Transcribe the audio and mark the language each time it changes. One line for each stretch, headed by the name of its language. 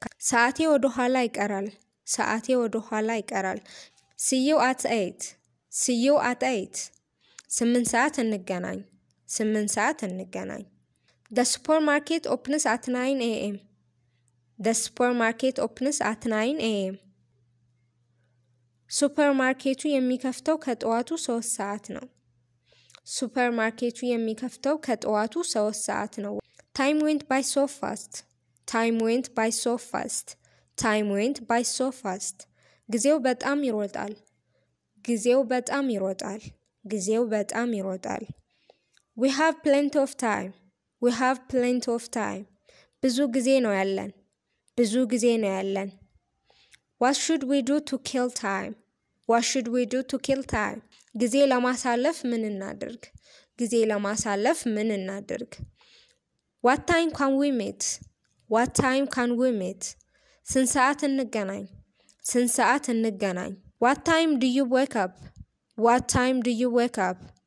Amharic: ሰዓቴ ወደ ኋላ ይቀራል። ሰዓቴ ወደ ኋላ ይቀራል።
English: See you at 8. See you at 8.
Amharic: 8 ሰዓት እንገናኝ። 8 ሰዓት እንገናኝ።
English: The supermarket opens at 9 a.m. The supermarket opens at 9 a.m.
Amharic: ሱፐርማርኬቱ የሚከፍተው ከጠዋቱ 3 ሰዓት ነው። ሱፐርማርኬቱ የሚከፍተው ከጠዋቱ 3 ሰዓት ነው።
English: Time went by so fast. Time went by so fast. Time went by so fast.
Amharic: ጊዜው በጣም ይሮጣል። ጊዜው በጣም ይሮጣል። ጊዜው በጣም ይሮጣል።
English: We have plenty of time. We have plenty of time.
Amharic: ብዙ ጊዜ ነው ያለን።
English: ብዙ ጊዜ ነው ያለን። What should we do to kill time? What should we do to kill time?
Amharic: ጊዜ ለማሳለፍ ምን እናድርግ? ጊዜ ለማሳለፍ ምን እናድርግ?
English: What time can we meet? What time can we meet?
Amharic: ስንት ሰዓት እንገናኝ? ስንት ሰዓት እንገናኝ?
English: What time do you wake up? What time do you wake up?